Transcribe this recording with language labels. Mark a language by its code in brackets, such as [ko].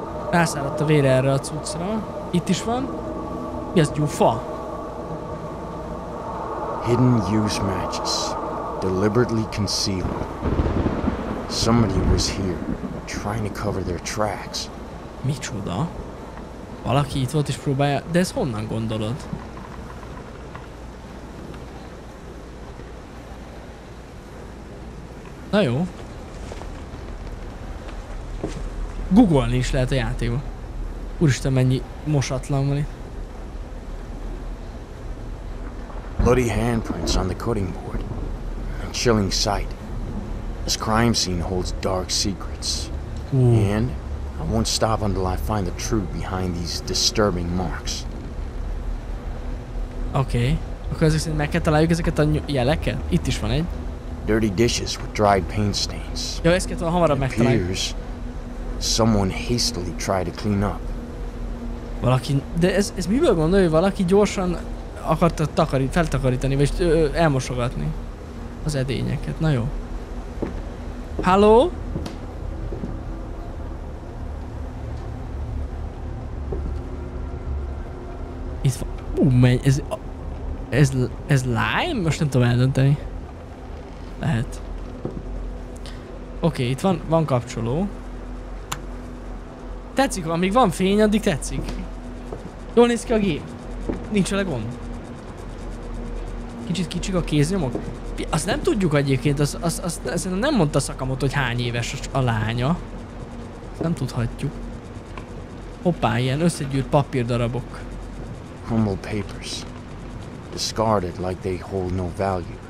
[hu] Rászáradt a vér erre a cuccra. Itt is van. Mi az, gyufa? [en] Hidden use matches. Deliberately concealed. Somebody was here, trying to cover their tracks. [hu] Micsoda? Valaki itt volt és próbálja... De ezt honnan gondolod? Na jó. Googolni is lehet a játékba. Úristen, mennyi mosatlan van itt. [en] Bloody handprints on the cutting board. A chilling sight. This crime scene holds dark secrets. And I won't stop until I find the truth behind these disturbing marks. Okay. [hu] Akkor ezek szerint meg kell találjuk ezeket a jeleket? Itt is van egy. [en] Dirty dishes with dried paint stains. [hu] Jó, ezt kell hamarabb megtaláljuk. [en] It appears someone hastily tried to clean up. [hu] Valaki... De ez miből gondolja, hogy valaki gyorsan akarta feltakarítani, vagy elmosogatni az edényeket. Na jó. Hello? Itt van... menj, ez lime? Most nem tudom eldönteni. Lehet. Oké, itt van kapcsoló. Tetszik, amíg van fény, addig tetszik. Jól néz ki a gép. Nincs vele gond. Kicsit kicsik a kéznyomok. Azt nem tudjuk egyébként, azt nem mondta Sakamoto, hogy hány éves a lánya. Azt nem tudhatjuk. Hoppá, ilyen összegyűrt papírdarabok. [en] Humble papers. Discarded like they hold no value.